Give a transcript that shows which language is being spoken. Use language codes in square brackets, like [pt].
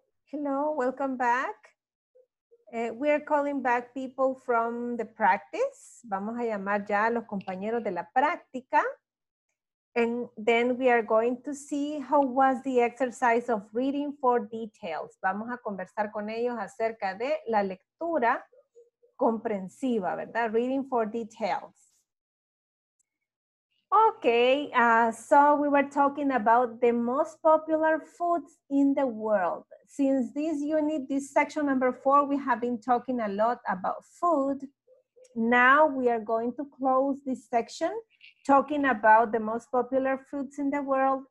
[en] Hello, welcome back. We are calling back people from the practice. [es] Vamos a llamar ya a los compañeros de la práctica. [en] And then we are going to see how was the exercise of reading for details. [es] Vamos a conversar con ellos acerca de la lectura comprensiva, ¿verdad? [en] Reading for details. Okay, so we were talking about the most popular foods in the world. Since this unit, this section number four, we have been talking a lot about food. Now we are going to close this section talking about the most popular foods in the world.